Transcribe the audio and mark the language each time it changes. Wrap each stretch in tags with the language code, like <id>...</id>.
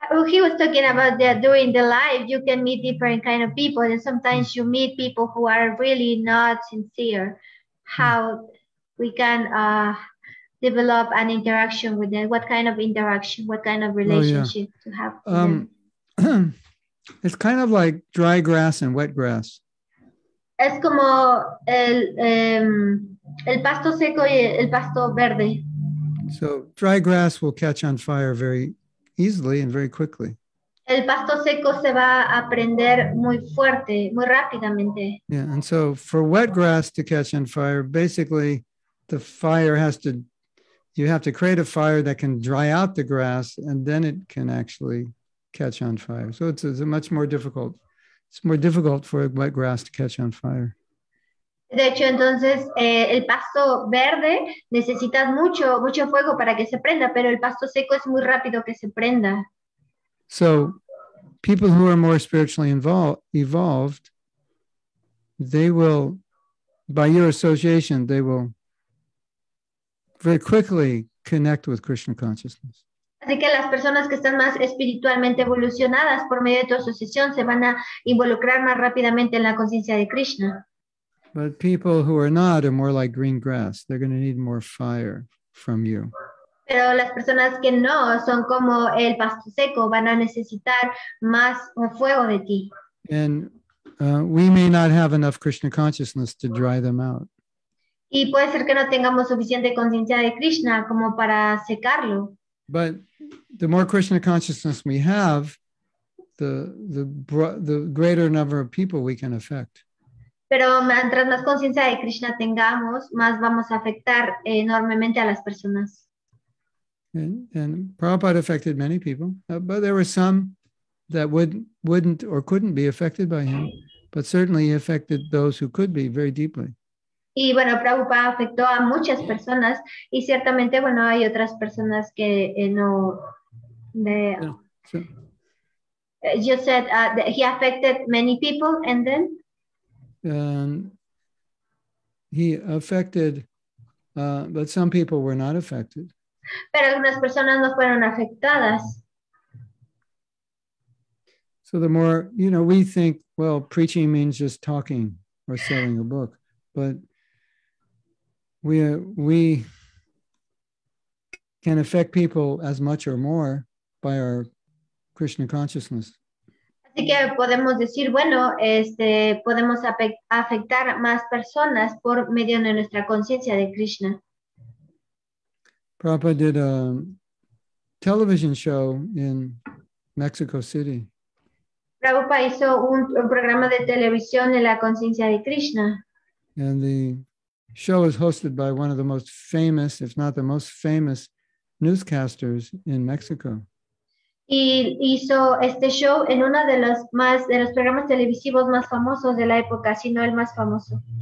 <en>He was talking about that during the life, you can meet different kind of people, and sometimes you meet people who are really not sincere. How we can develop an interaction with them? What kind of interaction? What kind of relationship to have? It's kind of like dry grass and wet grass.</en> <es>Es como el pasto seco y el pasto verde.</es> <en>So dry grass will catch on fire very easily and very quickly.</en> <es>El pasto seco se va a prender muy fuerte, muy rápidamente.</es> <en>Yeah, and so for wet grass to catch on fire, basically the fire has to, you have to create a fire that can dry out the grass and then it can actually catch on fire. So it's a much more difficult, it's more difficult for wet grass to catch on fire.</en> <es>De hecho, entonces, el pasto verde necesita mucho, mucho fuego para que se prenda, pero el pasto seco es muy rápido que se prenda.</es> <en>So, people who are more spiritually evolved, they will, by your association, they will very quickly connect with Krishna consciousness.</en> <es>Así que las personas que están más espiritualmente evolucionadas por medio de tu asociación se van a involucrar más rápidamente en la conciencia de Krishna.</es> <en>But people who are not are more like green grass. They're going to need more fire from you.</en> <es>Pero las personas que no son como el pasto seco van a necesitar más fuego de ti.</es> <en>And we may not have enough Krishna consciousness to dry them out.</en> <es>Y puede ser que no tengamos suficiente conciencia de Krishna como para secarlo.</es> <en>But the more Krishna consciousness we have, the greater number of people we can affect.</en> <es>Pero mientras más conciencia de Krishna tengamos, más vamos a afectar enormemente a las personas.</es> <en>And Prabhupada affected many people, but there were some that wouldn't or couldn't be affected by him, but certainly he affected those who could be very deeply.</en> <es>Y bueno, Prabhupada afectó a muchas personas, y ciertamente, bueno, hay otras personas que no...</es> <en>You said that he affected many people, and then... He affected, but some people were not affected.</en> <es>Pero algunas personas no fueron afectadas.</es> <en>So the more, you know, we think, well, preaching means just talking or selling a book, but we can affect people as much or more by our Krishna consciousness.</en> <es>Así que podemos decir, bueno, podemos afectar más personas por medio de nuestra conciencia de Krishna.</es> <en>Prabhupada did a television show in Mexico City.</en> <es>Prabhupada hizo un programa de televisión en la conciencia de Krishna.</es> <en>And the show is hosted by one of the most famous, if not the most famous, newscasters in Mexico.</en> <es>Y hizo este show en uno de los más de los programas televisivos más famosos de la época, si no el más famoso.</es>